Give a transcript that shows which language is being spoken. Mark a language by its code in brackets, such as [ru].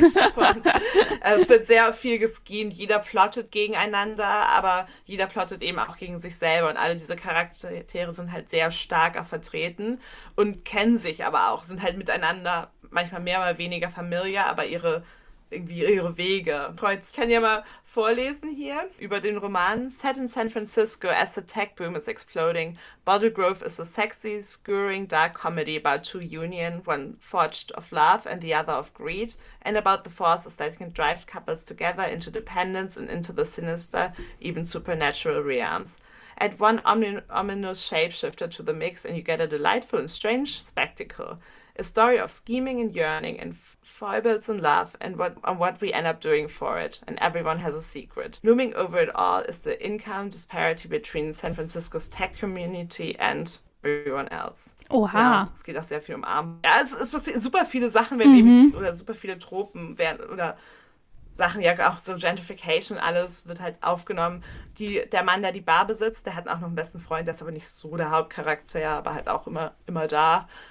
[de] es wird sehr viel geschemt, jeder plottet gegeneinander, aber jeder plottet eben auch gegen sich selber und alle diese Charaktere sind halt sehr stark vertreten und kennen sich aber auch, sind halt miteinander manchmal mehr oder weniger familiar, aber ihre irgendwie ihre Wege. Kreuz, ich kann ja mal vorlesen hier über den Roman. [en] Set in San Francisco as the tech boom is exploding, Bottle Grove is a sexy, scurrying, dark comedy about two union, one forged of love and the other of greed, and about the forces that can drive couples together into dependence and into the sinister, even supernatural realms. Add one ominous shapeshifter to the mix and you get a delightful and strange spectacle. A story of scheming and yearning and foibles in love and what we end up doing for it. And everyone has a secret. Looming over it all is the income disparity between San Francisco's tech community and everyone else. [de] Oha. Ja, es geht auch sehr viel um Arm. Ja, es passiert super viele Sachen, wenn, mhm, oder super viele Tropen werden oder Sachen, ja, auch so Gentrification, alles wird halt aufgenommen. Der Mann, der die Bar besitzt, der hat auch noch einen besten Freund, der ist aber nicht so der Hauptcharakter, aber halt auch immer da.